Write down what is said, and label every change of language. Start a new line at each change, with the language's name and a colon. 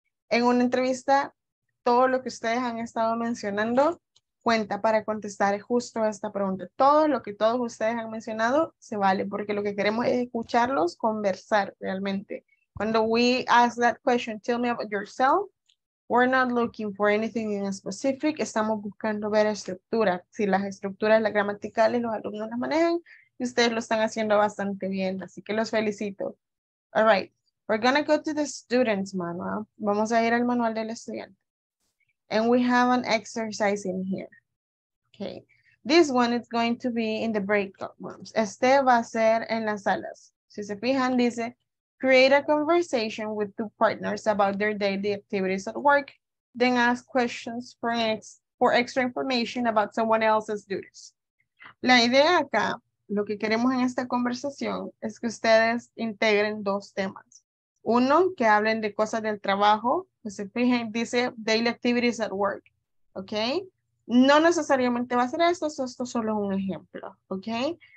Spanish: En una entrevista, todo lo que ustedes han estado mencionando cuenta para contestar justo a esta pregunta. Todo lo que todos ustedes han mencionado se vale, porque lo que queremos es escucharlos conversar realmente.
English: Cuando we ask that question, tell me about yourself, we're not looking for anything in specific.
Spanish: Estamos buscando ver estructura. Si las estructuras, las gramaticales, los alumnos las manejan, y ustedes lo están haciendo bastante bien. Así que los felicito. All right.
English: We're going to go to the student's manual.
Spanish: Vamos a ir al manual del estudiante.
English: And we have an exercise in here. Okay. This one is going to be in the breakout rooms.
Spanish: Este va a ser en las salas. Si se fijan, dice,
English: create a conversation with two partners about their daily activities at work, then ask questions for extra information about someone else's duties.
Spanish: La idea acá, lo que queremos en esta conversación, es que ustedes integren dos temas. Uno, que hablen de cosas del trabajo, que se fijen, dice
English: daily activities at work,
Spanish: ¿ok? No necesariamente va a ser esto solo es un ejemplo, ¿ok?